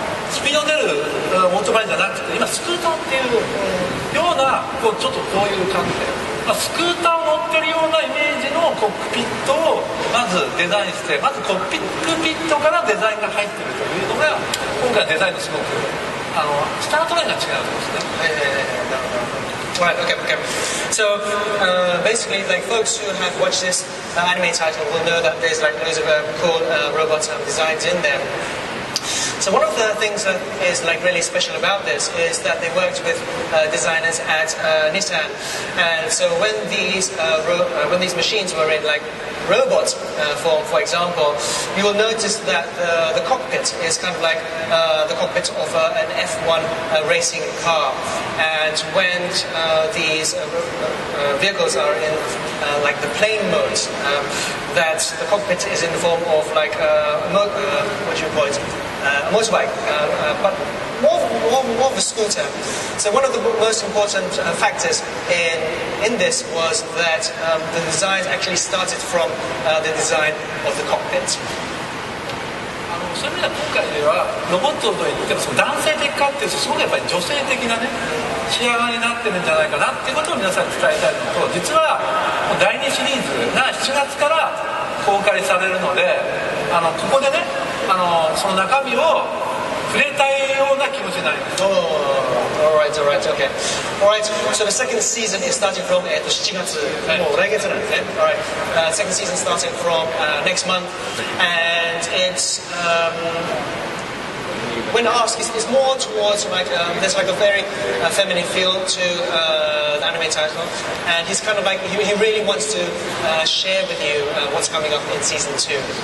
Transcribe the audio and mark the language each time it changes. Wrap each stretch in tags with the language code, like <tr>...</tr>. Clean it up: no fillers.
<ja>スピード出るオートバイじゃなくて今スクーターっていうようなこうちょっとこういう感じで、まあ、スクーターを乗ってるようなイメージのコックピットをまずデザインして、まずコックピットからデザインが入ってるというのが今回デザインのすごくスタートラインが違うんですね。</ja> <en>Right, okay, okay. So, basically, like, folks who have watched this anime title will know that there's like loads of cool robots and designs in there. So one of the things that is like really special about this is that they worked with designers at Nissan. And so when these, when these machines were in like robot form, for example, you will notice that the cockpit is kind of like the cockpit of an F1 racing car. And when these vehicles are in like the plane mode, that the cockpit is in the form of like what do you call it? A motorbike, but more of a scooter. So one of the most important factors in this was that the design actually started from the design of the cockpit.</en> <ja>そういう意味では今回ではロボットといっても男性的かっていうとすごくやっぱり女性的なね仕上がりになってるんじゃないかなっていうことを皆さんに伝えたいのと、実は第2シリーズが7月から公開されるので、ここでねその中身を触れたいような気持ちになります。</ja> <en>Alright, so the second season is starting from</en> <ja>7月、</ja> <en>second season starting from next month, and it's, when asked, it's more towards like, there's like a very feminine feel to the anime title, and he's kind of like, he really wants to share with you what's coming up in season 2.</en>